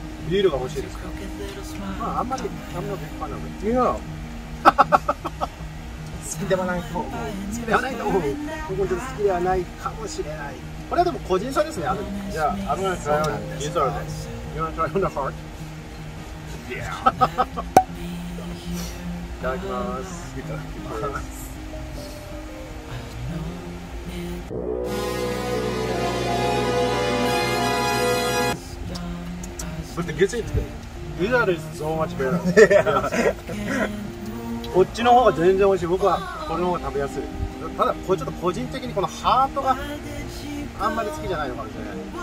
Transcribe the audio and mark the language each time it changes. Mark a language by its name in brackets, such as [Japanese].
[Japanese] ビールが欲しいですか。まああんまり食べ物でっかいなので。いや。好きではないと思う。好きではないと思う。本当に好きではないかもしれない。これはでも個人差ですね。じゃあ、 [English] I'm gonna try on dessert. You wanna try on the heart? Yeah. [Japanese] いただきます。いただきます。 [English] But the gizzard, gizzard is so much better. Yeah. [Japanese] こっちの方が全然美味しい。僕はこれの方が食べやすい。ただこれちょっと個人的にこのハートがあんまり好きじゃないのかもしれない。